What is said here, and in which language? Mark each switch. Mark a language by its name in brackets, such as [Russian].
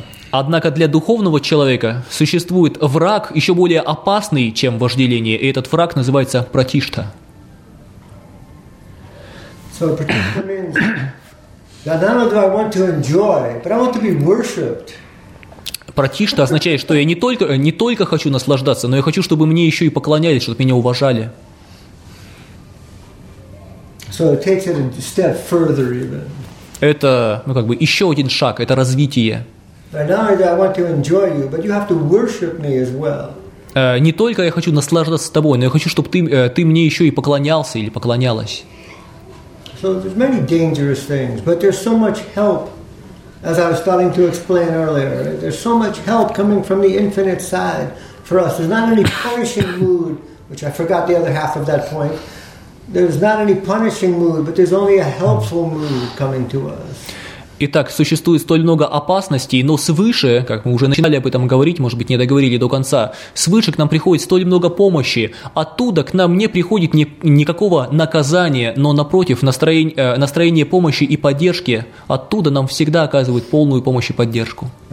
[Russian] Однако для духовного человека существует враг, еще более опасный, чем вожделение, и этот враг называется пратишта. [English] So pratishta means that not only do I want to enjoy, but I want to be worshipped. [Russian] Пратишта означает, что я не только хочу наслаждаться, но я хочу, чтобы мне еще и поклонялись, чтобы меня уважали. [English] So it takes it a step further even. [Russian] Это, ну, как бы еще один шаг, это развитие. [English] I want to enjoy you, but you have to worship me as well. [Russian] Не только я хочу наслаждаться тобой, но я хочу, чтобы ты мне еще и поклонялся или поклонялась. [English] So there's many dangerous things, but there's so much help as I was starting to explain earlier, there's so much help coming from the infinite side for us. There's not any punishing mood, which I forgot the other half of that point. There's not any punishing mood, but there's only a helpful mood coming to us. [Russian] Итак, существует столь много опасностей, но свыше, как мы уже начинали об этом говорить, может быть, не договорили до конца, свыше к нам приходит столь много помощи. Оттуда к нам не приходит никакого наказания, но, напротив, настроение помощи и поддержки. Оттуда нам всегда оказывают полную помощь и поддержку.